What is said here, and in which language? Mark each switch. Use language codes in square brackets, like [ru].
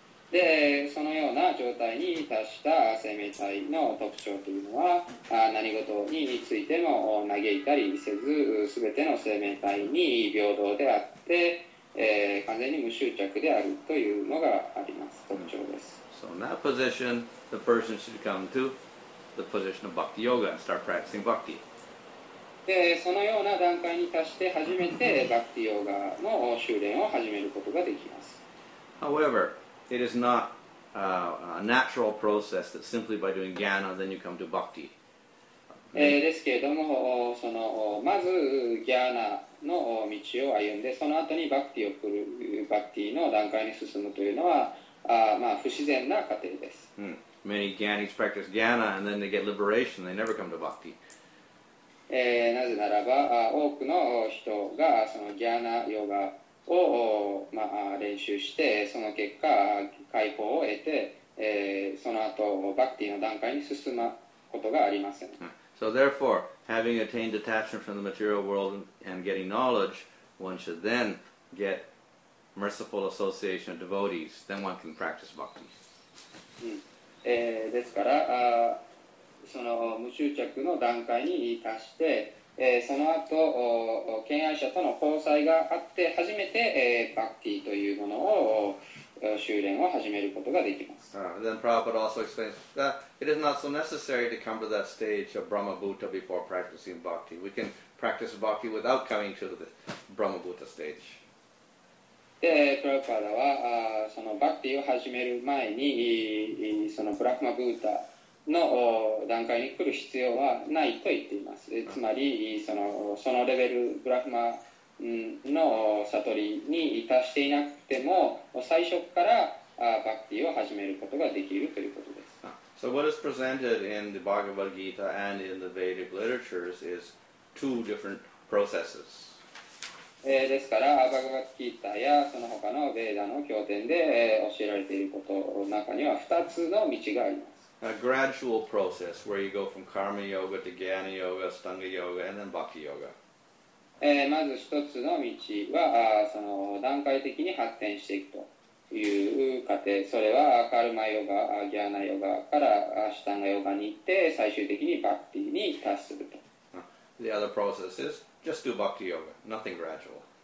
[ja] で、そのような状態に達した生命体の特徴というのは、何事についても嘆いたりせず、すべての生命体に平等であって、完全に無執着であるというのがあります。特徴です。 [en] So in that position, the person should come to. The position of bhakti yoga and start practicing bhakti. [ja] で、そのような段階に達して初めてbhakti yogaの修練を始めることができます。 [en] However, it is not a natural process that simply by doing jnana then you come to bhakti. [ja] ですけれども、そのまずjnanaの道を歩んで、その後にbhaktiの段階に進むというのは、まあ、不自然な過程です。 Mm. [en] Many jnanis practice jnana and then they get liberation. They never come to bhakti. [ja] なぜならば、多くの人がそのジャーナヨガを、まあ、練習して、その結果解放を得て、その後バクティの段階に進むことがありません。 [en] So therefore, having attained detachment from the material world and getting knowledge, one should then get merciful association of devotees. Then one can practice bhakti. [ja] ですから、その無執着の段階に達して、その後、敬愛者との交際があって、初めて、バクティというものを修練を始めることができます。 [en] Then Prabhupada also explains that it is not so necessary to come to that stage of Brahma Bhuta before practicing bhakti. We can practice bhakti without coming to the Brahma Bhuta stage. [ja] で、プラパダは、そのバクティを始める前に、そのブラフマブータの段階に来る必要はないと言っています。つまり、そのレベル、ブラフマの悟りに達していなくても、最初からバクティを始めることができるということです。 [en] So what is presented in the Bhagavad Gita and in the Vedic literatures is two different processes. [ja] ですから、バガバッキータやその他のベーダの経典で、教えられていることの中には2つの道があります。 [en] A gradual process where you go from Karma Yoga to Jnana Yoga, Stanga Yoga, and then Bhakti Yoga. [ja] まず1つの道は、その段階的に発展していくという過程。それは、カルマヨガ、ギャーナヨガからスタンガヨガに行って、最終的にバッティに達すると。 [en] The other process is? Just do bhakti yoga, nothing gradual.